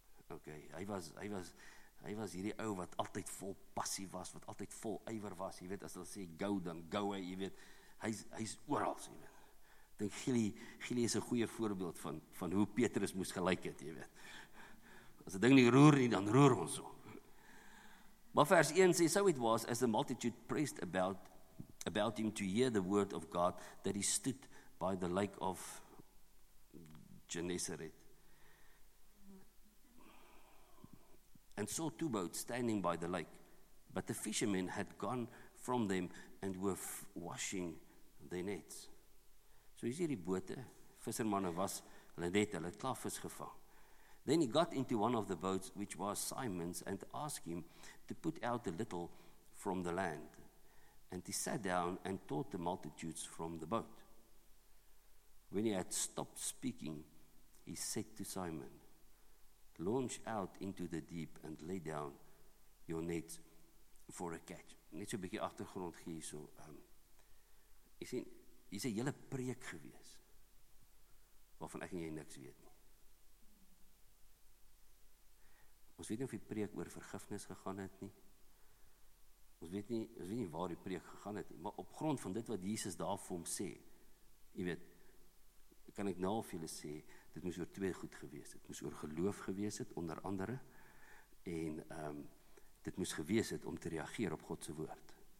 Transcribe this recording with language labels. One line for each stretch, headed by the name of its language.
Afrikaans: OK, hy was hierdie ou wat altyd vol passie was, wat altyd vol ywer was. Jy weet, as hulle sê go, dan go hy, jy weet. Hy's oral, jy weet. Dink Gilie is 'n goeie voorbeeld van hoe Petrus moes gelyk het, jy weet. As 'n ding nie roer nie, dan roer ons hom. Maar vers 1 sê,
English: so it was as the multitude pressed about him to hear the word of God that he stood by the lake of Genesaret, and saw 2 boats standing by the lake, but the fishermen had gone from them and were washing their nets.
Afrikaans: So is hier die bote, vissermanne was, hulle net, hulle het klaar vis gevang.
English: Then he got into one of the boats, which was Simon's, and asked him to put out a little from the land. And he sat down and taught the multitudes from the boat. When he had stopped speaking, he said to Simon, launch out into the deep and lay down your nets for a catch.
Afrikaans: Net so 'n bietjie agtergrond gee hierso. Jy sien, hier's 'n hele preek gewees waarvan ek en jy niks weet nie. Ons weet nie of die preek oor vergifnis gegaan het nie. Ons weet nie waar die preek gegaan het nie, maar op grond van dit wat Jesus daar vir hom sê, jy weet, kan ek nou vir julle sê, dit moes oor 2 goed gewees het. Dit moes oor geloof gewees het, onder andere, en dit moes gewees het om te reageer op God se woord.